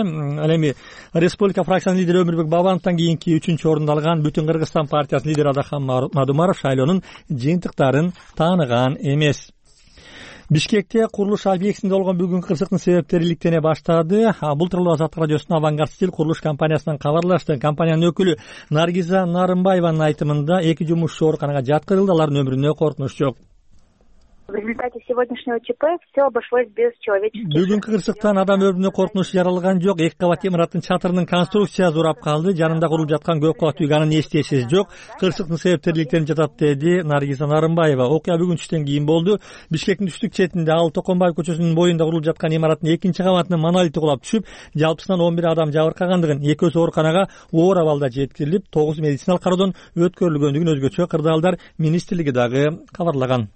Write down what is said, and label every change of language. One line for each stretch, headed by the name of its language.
Kyrgyz: Ал эми республика фракциянын лидери Өмүрбек Бабановтон кийинки 3-орунду алган Бүтүн Кыргызстан партиясынын лидери Адахан Мадумаров шайлоонун жыйынтыктарын тааныган эмес. Бишкекте курулуш объектисинде болгон бүгүнкү кырсыктын себептери иликтене баштады. Бул тууралуу Азаттык радиосуна Авангард Стиль курулуш компаниясынан кабарлашты. Компаниянын өкүлү Наргиза Нарымбаеванын айтымында 2 жумушчу ооруканага жаткырылды, алардын өмүрүнө коркунуч жок.
Russian: В результате сегодняшнего ЧП все обошлось без человеческих.
Kyrgyz: Бүгүнкү кырсыктан адам өмүрүнө коркунуч жаралган жок. Эки кабат имараттын чатырынын конструкциясы урап калды. Жанында курулуп жаткан көп кабаттуу үйгөнүн эч нерсеси жок. Кырсыктын себептери иликтенип жатат, деди Наргиза Нарымбаева. Окуя бүгүн түштөн кийин болду. Бишкектин түштүк четинде Ал Токонбаев көчөсүнүн боюнда курулуп жаткан имараттын 2-кабатынын монолити кулап түшүп, жалпысынан 11 адам жабыркагандыгын, экөөсү ооруканага оор абалда жеткирилип, 9 медициналык кароодон өткөрүлгөндүгүн өзгөчө Кырдаалдар министрлиги дагы кабарлаган.